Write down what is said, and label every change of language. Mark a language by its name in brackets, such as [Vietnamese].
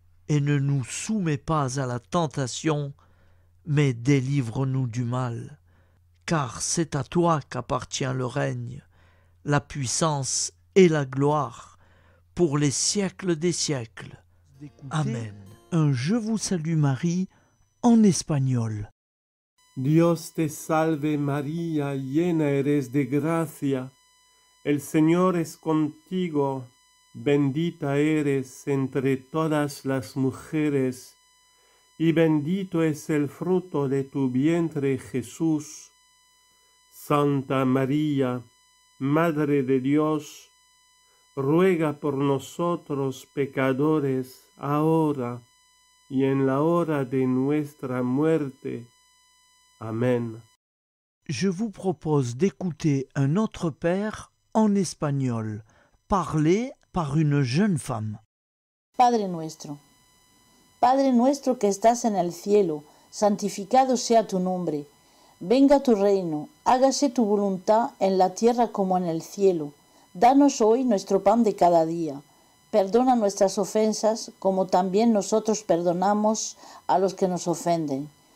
[French] Et ne nous soumets pas à la tentation, mais délivre-nous du mal. Car c'est à toi qu'appartient le règne, la puissance et la gloire, pour les siècles des siècles. Amen. Un Je vous salue Marie en espagnol. [Spanish] Dios te salve María, llena eres de gracia. El Señor es contigo, bendita eres entre todas las mujeres y bendito es el fruto de tu vientre, Jesús. Santa María, Madre de Dios, ruega por nosotros pecadores ahora y en la hora de nuestra muerte. Amén. [French] Je vous propose d'écouter un autre Père en espagnol, parlé par une jeune femme. [Spanish] Padre nuestro. Padre nuestro que estás en el cielo, santificado sea tu nombre. Venga tu reino, hágase tu voluntad en la tierra como en el cielo. Danos hoy nuestro pan de cada día. Perdona nuestras ofensas, como también nosotros perdonamos a los que nos ofenden.